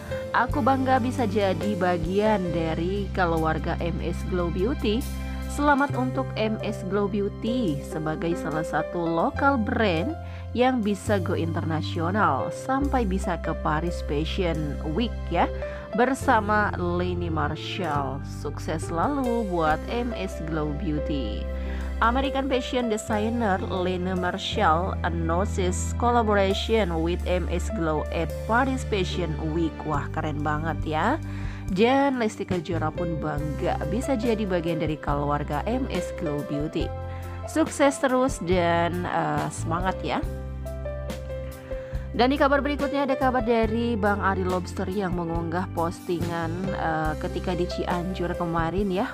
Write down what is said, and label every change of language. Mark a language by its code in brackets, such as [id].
[id] Aku bangga bisa jadi bagian dari keluarga MS Glow Beauty. Selamat untuk MS Glow Beauty sebagai salah satu lokal brand yang bisa go internasional sampai bisa ke Paris Fashion Week ya, bersama Lenny Marshall. Sukses selalu buat MS Glow Beauty. [en] American fashion designer Lenny Marshall announces collaboration with MS Glow at Paris Fashion Week. [id] Wah, keren banget ya. Dan Lesti Kejora pun bangga bisa jadi bagian dari keluarga MS Glow Beauty. Sukses terus dan semangat ya. Dan di kabar berikutnya ada kabar dari Bang Ari Lobster yang mengunggah postingan ketika di Cianjur kemarin ya.